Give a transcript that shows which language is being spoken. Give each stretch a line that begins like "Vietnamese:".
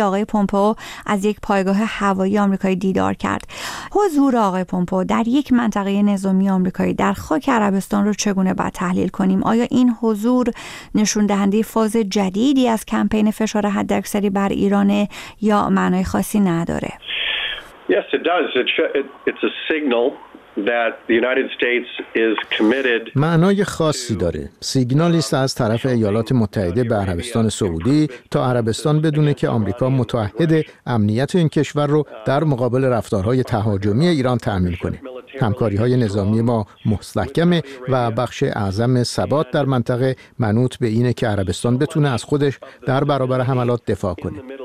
Persian: آقای پومپئو از یک پایگاه هوایی آمریکایی دیدار کرد. حضور آقای پومپئو در یک منطقه نظامی آمریکایی در خاک عربستان رو چگونه باید تحلیل کنیم؟ آیا این حضور نشون دهنده فاز جدیدی از کمپین فشار حداکثری بر ایران یا معنای خاصی نداره؟
English: Yes, it does. It's a signal that the United States is committed.
Persian: معنای خاصی داره. سیگنالی است از طرف ایالات متحده به عربستان سعودی تا عربستان بدونه که آمریکا متعهد امنیت این کشور رو در مقابل رفتارهای تهاجمی ایران تامین کنه. همکاری‌های نظامی ما مستحکم و بخش اعظم ثبات در منطقه منوط به اینه که عربستان بتونه از خودش در برابر حملات دفاع کنه.